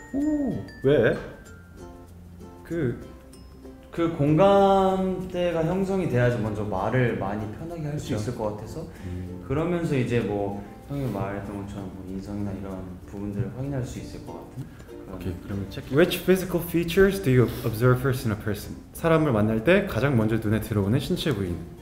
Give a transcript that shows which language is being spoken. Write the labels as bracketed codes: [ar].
[ko] 오, 왜? 그 공감대가 형성이 돼야지 먼저 말을 많이 편하게 할 수 그렇죠. 있을 것 같아서 그러면서 이제 뭐 형이 말했던 것처럼 뭐 인성이나 이런 부분들을 확인할 수 있을 것 같은 오케이 그러면 체크. [en] Which physical features do you observe first in a person? [ko] 사람을 만날 때 가장 먼저 눈에 들어오는 신체 부위.